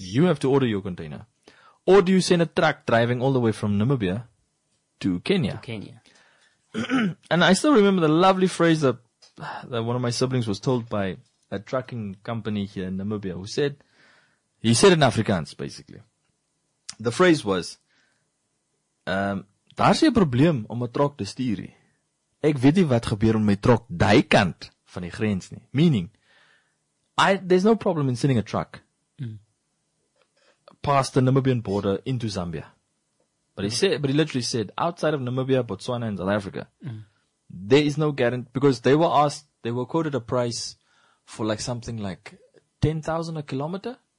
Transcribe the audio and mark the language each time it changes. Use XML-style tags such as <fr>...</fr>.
<en>You have to order your container. Or do you send a truck driving all the way from Namibia to Kenya? To Kenya. And I still remember the lovely phrase that, that one of my siblings was told by a trucking company here in Namibia who said, he said in Afrikaans, basically.</en> <af>The phrase was, daar's 'n probleem om 'n trok te stuur. Ek weet nie wat gebeur om my trok daai kant van die grens nie.</af> <en>Meaning, there's no problem in sending a truck past the Namibian border into Zambia. But he said, but he literally said, outside of Namibia, Botswana, and South Africa, there is no guarantee, because they were asked, they were quoted a price for like something like 10,000 a kilometer.</en>